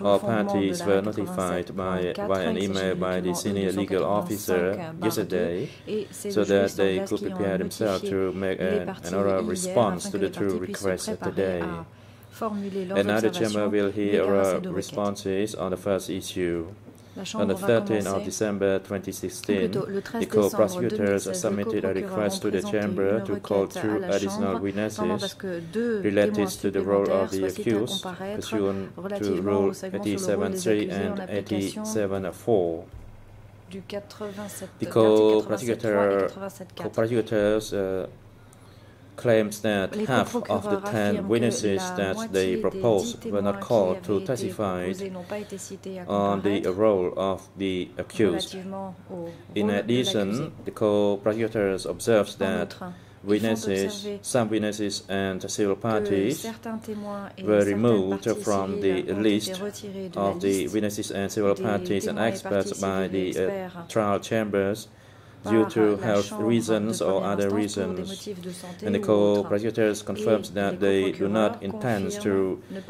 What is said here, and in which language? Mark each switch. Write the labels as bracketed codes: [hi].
[en] All parties were notified by an email by the senior legal officer yesterday so that they could prepare themselves to make an oral response to the two requests today. And now the chamber will hear oral responses on the first issue. [fr] La Chambre va commencer. Plutôt, le 13 décembre 2016, le co-procureur a présenté une requête à la Chambre tendant à ce que deux témoins supplémentaires soient cités à comparaître relativement aux segments sur le rôle des accusés en application du 87.3 et 87.4. [en] Claims that half of the 10 witnesses that they proposed were not called to testify on the role of the accused. In addition, the co-prosecutors observed that witnesses, some witnesses and civil parties were removed from the list of the witnesses and civil parties and experts by the trial chambers due to health reasons or other reasons, and the co-prosecutors confirms that they do not intend to